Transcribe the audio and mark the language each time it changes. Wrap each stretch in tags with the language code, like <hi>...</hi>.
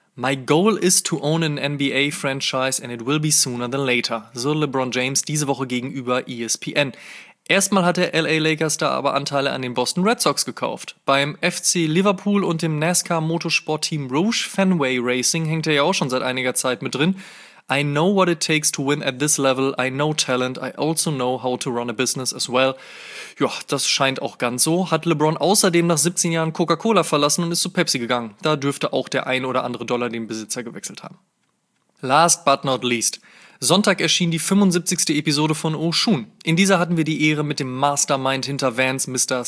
<en>My goal is to own an NBA franchise and it will be sooner than later,</en> <de>so LeBron James diese Woche gegenüber ESPN. Erstmal hat der LA Lakers da aber Anteile an den Boston Red Sox gekauft. Beim FC Liverpool und dem NASCAR Motorsportteam Roush Fenway Racing hängt er ja auch schon seit einiger Zeit mit drin.</de> <en>I know what it takes to win at this level, I know talent, I also know how to run a business as well.</en> <de>Ja, das scheint auch ganz so. Hat LeBron außerdem nach 17 Jahren Coca-Cola verlassen und ist zu Pepsi gegangen. Da dürfte auch der ein oder andere Dollar den Besitzer gewechselt haben.</de> <en>Last but not least.</en> <de>Sonntag erschien die 75. Episode von Oshun. In dieser hatten wir die Ehre, mit dem Mastermind hinter Vans Mr.</de>